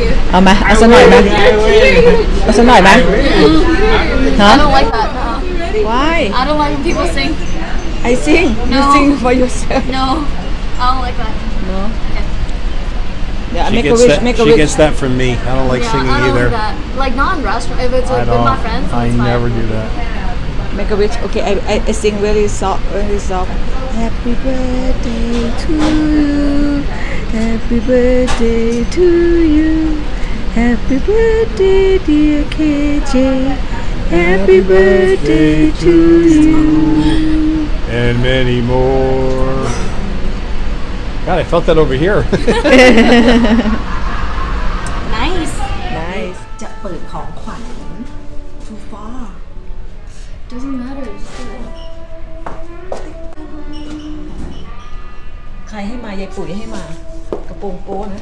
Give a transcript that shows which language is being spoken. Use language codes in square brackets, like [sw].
[th] เอามาเอาสักหน่อยมั้ยเอาสักหน่อยมั้ย [en] ฮะ I don't like that. No. Why? I don't like when people sing. I sing. No. You sing for yourself. No. I don't like that. No. Yeah, she gets that from me. I don't like singing either. Like not in restaurant. If it's with my friends, I never do that. Make a wish. Okay, I sing really soft. Happy birthday to you. Happy birthday to you. Happy birthday, dear KJ. Happy birthday to you. And many more. God, I felt that over here. Nice. [th] จะเปิดของขวัญ [en] Too far. Doesn't matter. [th] ใครให้มายายปุ๋ยให้มากระโปรงโป้นะ